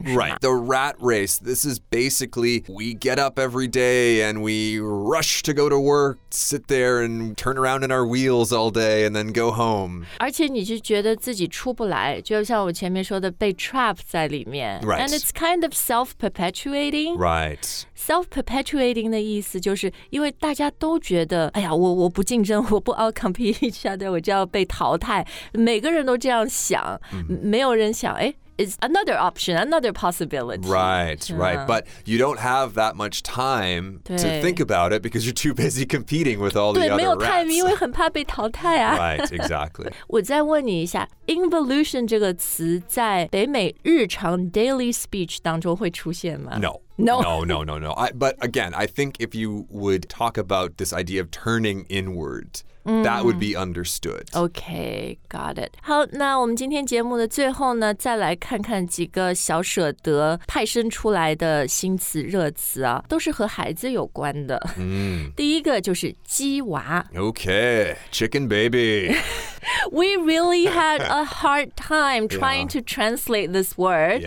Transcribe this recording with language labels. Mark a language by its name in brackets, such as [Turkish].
[English] Right. Right, the rat race. This is basically we get up every day and we rush to go to work, sit there and turn around in our wheels all day and then go home. [Chinese] 而且你是觉得自己出不来，就像我前面说的被 trap 在里面。 [English] Right. And it's kind of self-perpetuating. Right. [Chinese] Self-perpetuating 的意思就是因为大家都觉得，哎呀，我不竞争，我不 outcompete each other，我就要被淘汰。每个人都这样想，没有人想，哎。 [English] It's another option, another possibility. Right, right. But you don't have that much time to think about it because you're too busy competing with all the other rats. [Chinese] 对，没有 time, 因为很怕被淘汰啊。 [English] Right, exactly. [Chinese] 我再问你一下 ,involution 这个词在北美日常 daily speech 当中会出现吗？ [English] No. No. But again, I think if you would talk about this idea of turning inward, that would be understood. Okay, got it. [Chinese] 好，那我们今天节目的最后呢，再来看看几个小舍得派生出来的新词热词啊，都是和孩子有关的。第一个就是鸡娃。 [English] Okay, chicken baby. We really had a hard time trying to translate this word.